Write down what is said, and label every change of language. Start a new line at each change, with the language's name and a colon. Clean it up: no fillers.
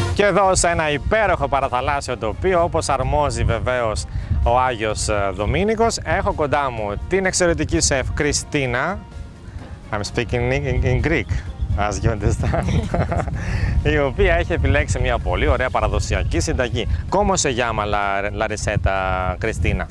Greek: εδώ σε ένα υπέροχο παραθαλάσσιο τοπίο, όπως αρμόζει βεβαίως ο Άγιος Δομήνικος. Έχω κοντά μου την εξαιρετική σεφ Κριστίνα.
English: I'm speaking in Greek, as you understand.
Greek: Η οποία έχει επιλέξει μια πολύ ωραία παραδοσιακή συνταγή.
Spanish: Como se llama la receta, Κριστίνα?